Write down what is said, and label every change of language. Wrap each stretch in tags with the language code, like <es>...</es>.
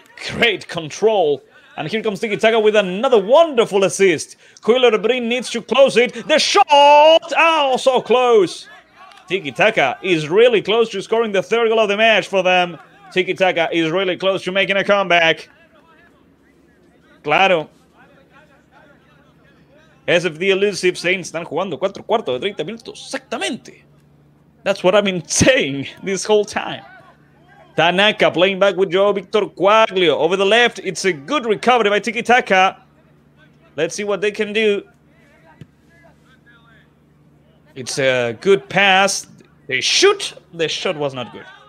<en>Great control. And here comes Tiki Taka with another wonderful assist. Quiller Brin needs to close it. The shot! Oh, so close. Tiki Taka is really close to scoring the third goal of the match for them. Tiki Taka is really close to making a comeback.</en> <es>Claro. SFD Elusive saying, están jugando cuatro cuartos de 30 minutos. Exactamente.</es> <en>That's what I've been saying this whole time. Tanaka playing back with Joe Victor Quaglio. Over the left, it's a good recovery by Tiki Taka. Let's see what they can do. It's a good pass. They shoot. The shot was not good.</en>